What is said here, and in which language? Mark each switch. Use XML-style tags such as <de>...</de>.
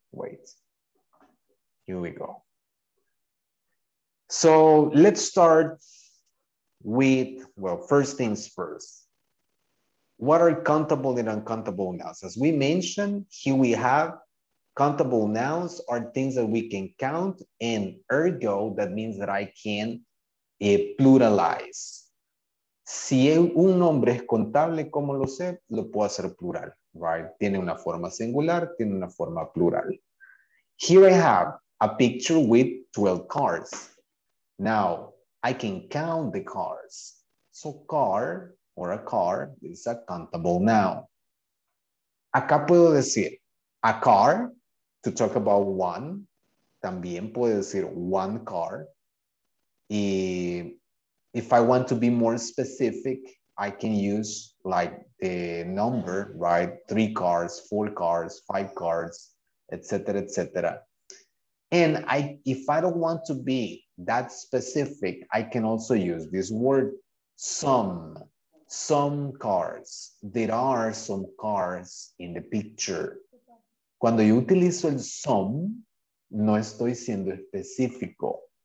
<en>Wait, here we go. So let's start with, well, first things first. What are countable and uncountable nouns? As we mentioned, here we have countable nouns are things that we can count, and ergo, that means that I can pluralize.</en> <es>Si un nombre es contable, ¿cómo lo sé? Lo puedo hacer plural, right? Tiene una forma singular, tiene una forma plural.</es> <en>Here I have a picture with 12 cars. Now, I can count the cars. So car or a car is a countable noun. Acá puedo decir a car, to talk about one. También puedo decir one car. Y if I want to be more specific, I can use like the number, right? Three cars, four cars, five cars, etc., etc. And if I don't want to be that specific, I can also use this word, some cars. There are some cars in the picture.</en> <es>Cuando yo utilizo el some, no estoy siendo específico.</es>